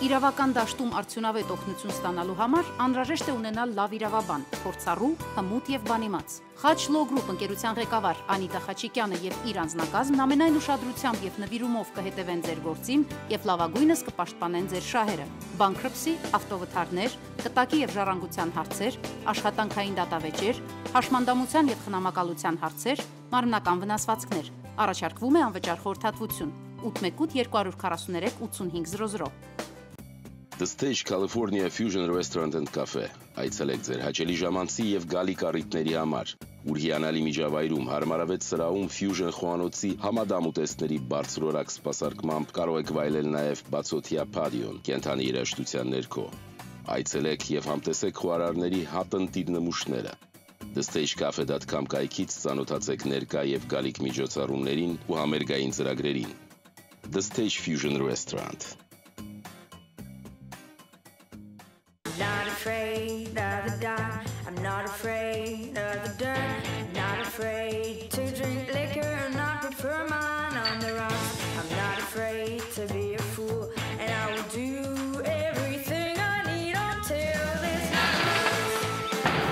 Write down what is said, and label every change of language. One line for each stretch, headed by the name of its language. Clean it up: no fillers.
Armenian: Իրավական դաշտում արդյունավետ օգնություն ստանալու համար անհրաժեշտ է ունենալ լավ իրավաբան, փորձառու, հմուտ եւ բանիմաց։ Խաչ Լո Գրուպ ընկերության ղեկավար Անիտա Խաչիկյանը եւ իր անձնակազմն ամենայն ուշադրությամբ եւ նվիրումով կհետևեն ձեր գործին եւ լավագույնս կպաշտպանեն ձեր շահերը։ Բանկրոպսի, ավտովթարներ, կտակի եւ ժառանգության հարցեր, աշխատանքային դատավեճեր, հաշմանդամության եւ խնամակալության հարցեր, մարմնական վնասվածքներ։ Առաջարկվում է անվճար խորհրդատվություն 818-243-8500։
English: The Stage California Fusion Restaurant and Cafe.
Armenian: Այցելեք ձեր հաճելի ժամանցի եւ գալի կարիքների համար։ Ուր հիանալի միջավայրում հարմարավետ սրահում Fusion խոանոցի համադամ ուտեստների բարձրորակ սպասարկմամբ կարող եք վայելել նաեւ բացօթյա պատիոն կենթանի երաժշտության ներքո։ Այցելեք եւ համտեսեք խոարարների հատընտիր նմուշները։ TheStageCafe.com կայքից ծանոթացեք ներկա եւ գալիք միջոցառումներին ու համերգային ծրագրերին։ The Stage Fusion Restaurant.
English: Not afraid of the dark, I'm not afraid of the dirt, not afraid to drink liquor and not prefer mine on the rock. I'm not afraid to be a fool, and I will do everything I need until this night.